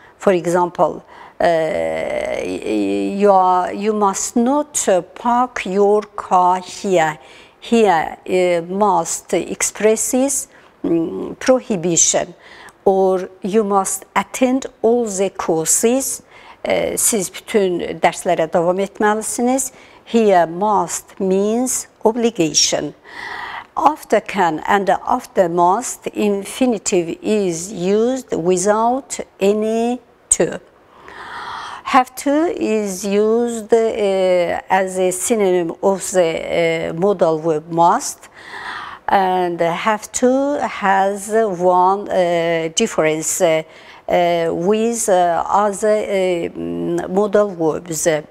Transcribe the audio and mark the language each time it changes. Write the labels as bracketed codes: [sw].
[en] For example, you must not park your car here. Here, must expresses prohibition, or you must attend all the courses. [az] Siz bütün dərslərə davam etməlisiniz. [en] Here, must means obligation. After can and after must, infinitive is used without any to. Have to is used as a synonym of the modal verb must, and have to has one difference with other modal verbs.